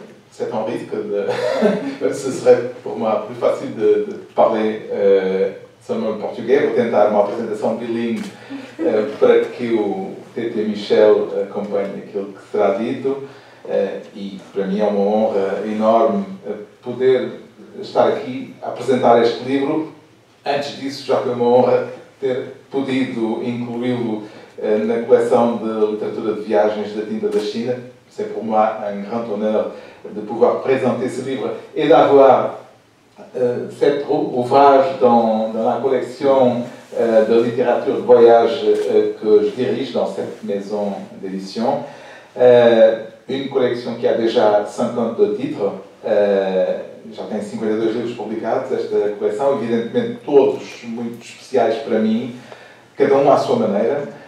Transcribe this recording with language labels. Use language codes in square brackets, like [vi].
[fr] C'est un risque, ce serait pour moi plus facile de parler seulement en portugais. Je vais tenter ma présentation bilingue pour que le Tete Michel accompagne ce qui sera dit. Et pour moi, c'est une honte énorme pouvoir [pt] estar aqui a apresentar este livro. Antes disso, já foi uma honra ter podido incluí-lo na coleção de literatura de viagens da Tinta da China. [fr] C'est pour moi un grand honneur de pouvoir présenter ce livre et d'avoir cet ouvrage dans la collection de littérature de voyage que je dirige dans cette maison d'édition. Une collection qui a déjà 52 titres. [pt] Já tem 52 livros publicados, esta coleção, evidentemente todos muito especiais para mim, cada um à sua maneira.